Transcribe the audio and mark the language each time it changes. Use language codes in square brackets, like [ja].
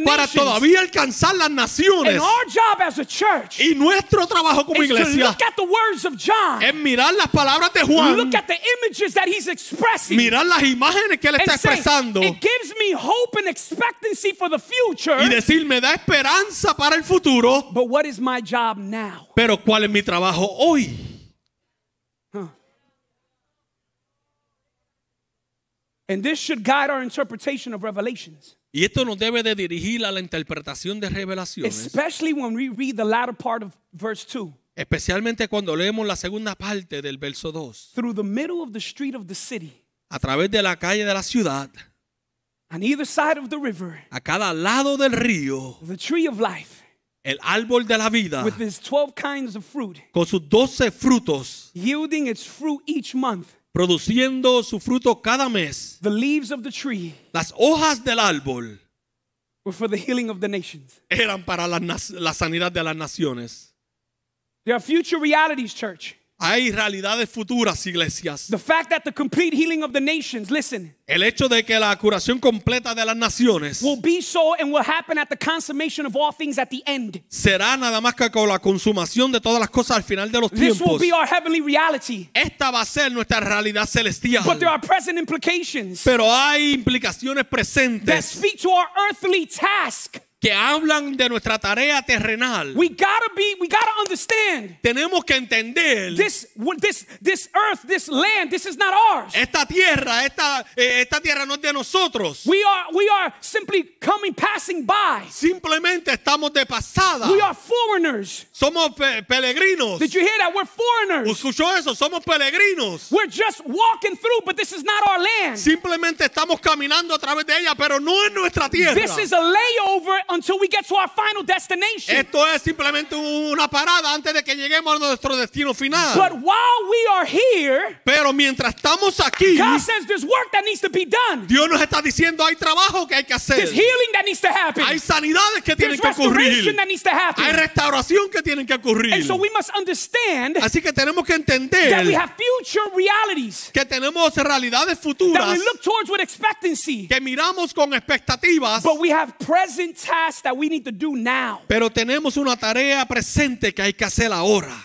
[es] para [en] nations. [es] Todavía alcanzar las naciones [en] and our job as a church [es] y nuestro trabajo como [en] is [es] iglesia [en] to look at the words of John, [es] es mirar las palabras de Juan [en] look at the images that he's expressing, [es] mirar las imágenes que él está [en] and [es] expresando [en] say, it gives me hope and expectancy for the future, [es] y decir me da esperanza para el futuro [en] but what is my job now? [es] Pero ¿cuál es mi trabajo hoy? [en] And this should guide our interpretation of revelations. [es] Y esto nos debe de dirigir a la interpretación de revelaciones. [en] Especially when we read the latter part of verse 2. [es] Especialmente cuando leemos la segunda parte del verso 2. [en] Through the middle of the street of the city. [es] A través de la calle de la ciudad. [en] On either side of the river. [es] A cada lado del río. [en] The tree of life. [es] El árbol de la vida. [en] With its 12 kinds of fruit. [es] Con sus 12 frutos. [en] Yielding its fruit each month. [es] Produciendo su fruto cada mes. [en] The leaves of the tree. [es] Las hojas del árbol. [en] Were for the healing of the nations. [es] Eran para la sanidad de las naciones. [en] There are future realities, church. [es] Hay realidades futuras, iglesias. [en] The fact that the complete healing of the nations, listen. [es] El hecho de que la curación completa de las naciones. [en] Will be so and will happen at the consummation of all things at the end. [es] Será nada más que con la consumación de todas las cosas al final de los [en] this [es] tiempos. [en] This will be our heavenly reality. [es] Esta va a ser nuestra realidad celestial. [en] But there are present implications. [es] Pero hay implicaciones presentes. [en] That speak to our earthly task. [es] Que hablan de nuestra tarea terrenal. [en] We gotta understand. [es] Tenemos que entender. [en] This earth, this land, this is not ours. [es] Esta tierra no es de nosotros. [en] We are simply coming passing by. [es] Simplemente estamos de pasada. [en] We are foreigners. [es] Somos peregrinos. [en] Did you hear that? We're foreigners. [es] ¿Escuchó eso? Somos peregrinos. [en] We're just walking through, but this is not our land. [es] Simplemente estamos caminando a través de ella, pero no es nuestra tierra. [en] This is a layover. Until we get to our final destination. [es] Esto es simplemente una parada antes de que lleguemos a nuestro destino final. [en] But while we are here, [es] pero mientras estamos aquí, [en] God says there's work that needs to be done. [es] Dios nos está diciendo hay trabajo que hay que hacer. [en] There's healing that needs to happen. [es] Hay sanidades que tienen que ocurrir. [en] There's restoration that needs to happen. [es] Hay restauración que tienen que ocurrir. [en] And so we must understand. [es] Así que tenemos que entender [en] that we have future realities. [es] Que tenemos realidades futuras. [en] That we look towards with expectancy. [es] Que miramos con expectativas. [en] But we have present task that we need to do now. [es] Pero tenemos una tarea presente que hay que hacer ahora.